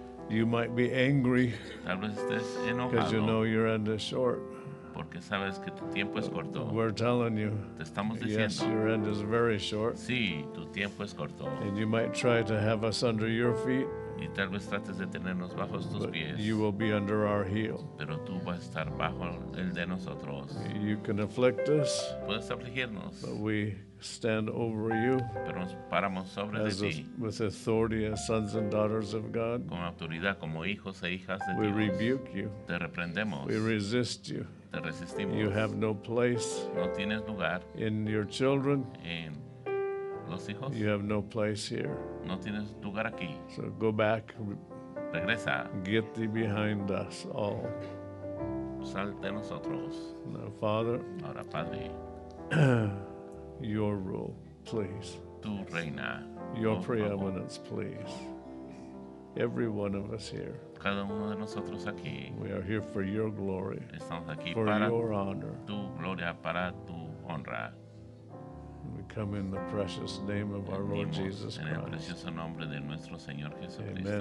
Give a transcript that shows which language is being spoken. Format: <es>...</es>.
<en>You might be angry because you know your end is short.</en> <es>Porque sabes que tu tiempo es corto.</es> <en>We're telling you,</en> <es>te estamos diciendo,</es> <en>yes, your end is very short.</en> <es>Sí, tu tiempo es corto.</es> <en>And you might try to have us under your feet,</en> <es>y tal vez trates de tenernos bajo tus</es> <en>but</en> <es>pies,</es> <en>you will be under our heel.</en> <es>Pero tú vas a estar bajo el de nosotros.</es> <en>You can afflict us,</en> <es>puedes afligirnos,</es> <en>but we stand over you</en> <es>pero nos paramos sobre de ti.</es> <en>With authority as sons and daughters of God.</en> <es>Con autoridad, como hijos e hijas de</es> <en>we</en> <es>Dios.</es> <en>Rebuke you.</en> <es>Te reprendemos.</es> <en>We resist you.</en> <es>Te resistimos.</es> <en>You have no place</en> <es>no tienes lugar</es> <en>in your children.</en> <es>En los hijos.</es> <en>You have no place here.</en> <es>No tienes lugar aquí.</es> <en>So go back.</en> <es>Regresa.</es> <en>Get thee behind us all.</en> <es>Sal de nosotros.</es> <en>Now, Father.</en> <es>Ahora, Padre.</es> <en>Your rule, please.</en> <es>Tu reina.</es> <en>Your preeminence, please. Every one of us here.</en> <es>Cada uno de nosotros aquí.</es> <en>We are here for your glory.</en> <es>Estamos aquí</es> <en>for</en> <es>para</es> <en>your honor.</en> <es>Tu gloria, para tu honra.</es> <en>We come in the precious name of our Lord Jesus Christ.</en> <es>En el precioso nombre de nuestro Señor Jesucristo.</es>